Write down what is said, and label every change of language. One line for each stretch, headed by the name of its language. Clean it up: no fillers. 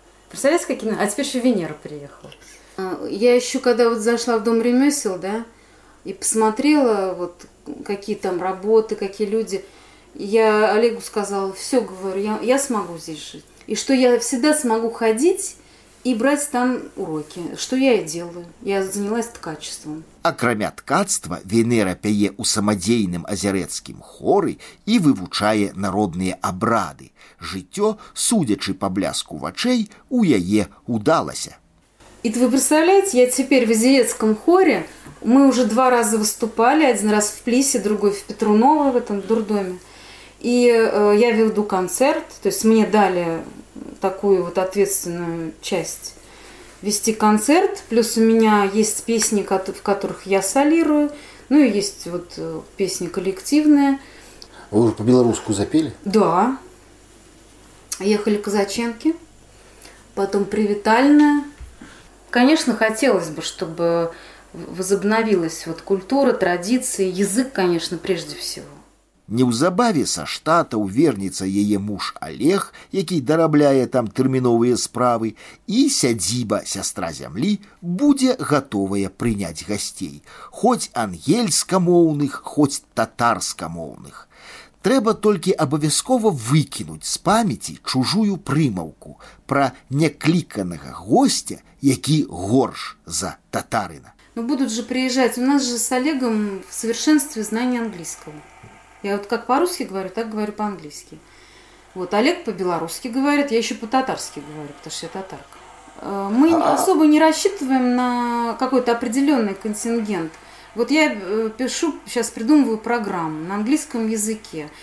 Russian: Представляете, какие имена? А теперь еще Венера приехала. Я еще, когда вот зашла в дом ремесел, да, и посмотрела, вот, какие там работы, какие люди, я Олегу сказала, все, говорю, я смогу здесь жить. И что я всегда смогу ходить, и брать там уроки, что я и делаю. Я занялась ткачеством.
Belarusian: Акрамя ткацтва, Венера пяе ў самадзейным азярэцкім хоры і вывучае народныя абрады. Жыццё, судзячы па бляску вачэй, у яе ўдалася. І вы представляеце, я цяпер в азярэцкім хоре, мы ўжо два разы выступалі, адзін раз в Плісе, другой в Петрунова,
Russian: в этом дурдоме. І я веду канцэрт, то есть мне далі такую вот ответственную часть вести концерт. Плюс у меня есть песни, в которых я солирую. Ну и есть вот песни коллективные. А вы уже по-белорусски запели? Да. Ехали Казаченки. Потом Привитальная. Конечно, хотелось бы, чтобы возобновилась вот культура, традиции, язык, конечно, прежде всего.
Belarusian: Неўзабаве са штатаў вернецца яе муж Алег, які дарабляе там тэрміновыя справы, і сядзіба сястра зямлі будзе гатовая прыняць гасцей, хоць ангельскамоўных, хоць татарскамоўных. Трэба толькі абавязкова выкінуць з памяці чужую прымаўку пра некліканага гостя, які горш за татарына. Ну будуць жа прыязджаць, у нас жа с Алегам
Russian: в совершенстве
Belarusian: знання англійскага.
Russian: Я вот как по-русски говорю, так говорю по-английски. Вот Олег по-белорусски говорит, я еще по-татарски говорю, потому что я татарка. Мы особо не рассчитываем на какой-то определенный контингент. Вот я пишу, сейчас придумываю программу на английском языке.